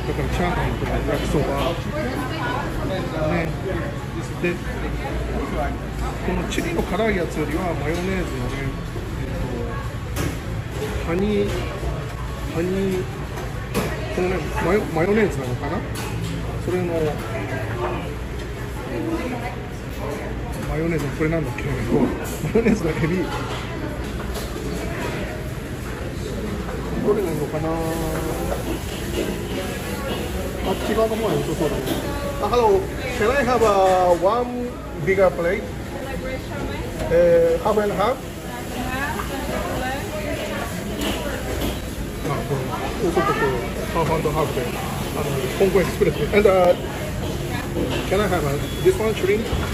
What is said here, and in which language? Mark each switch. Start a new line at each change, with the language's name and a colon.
Japanese: だからチャーハンとか焼きそば、ね、でこのチリの辛いやつよりはマヨネーズのね、ハニーこのねマヨネーズなのかな、それのマヨネーズのこれなんだっけ、マヨネーズのエビどれなのかな。あっち側の方が良さそうだね。あ、ハロー。
English: Can I have a one bigger plate? Half and half?
Japanese: あ、これ。ちょっとこう、ハーフ&ハーフで。香港エクスプレス。
English: And can I have this one, shrimp?